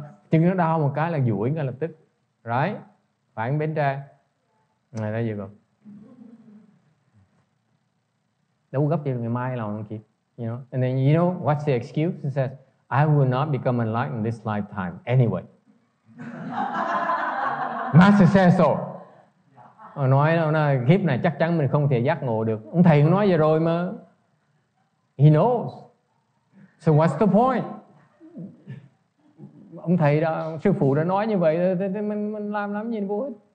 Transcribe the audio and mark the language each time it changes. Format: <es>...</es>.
<vi>chân nó đau một cái là duỗi ngay lập tức. Right? Phải bên trái. Ngày đó gì rồi? Đâu gấp gì ngày mai là không kịp.</vi> <en>You know? And then you know what's the excuse? It says, I will not become enlightened this lifetime anyway. Master says so.</en> <vi>Nói là kiếp này chắc chắn mình không thể giác ngộ được. Ông thầy cũng nói vậy rồi mà.</vi> <en>He knows. So what's the point?</en> <vi>Ông thầy đó, sư phụ đã nói như vậy, thì mình làm lắm gì vô ích.</vi>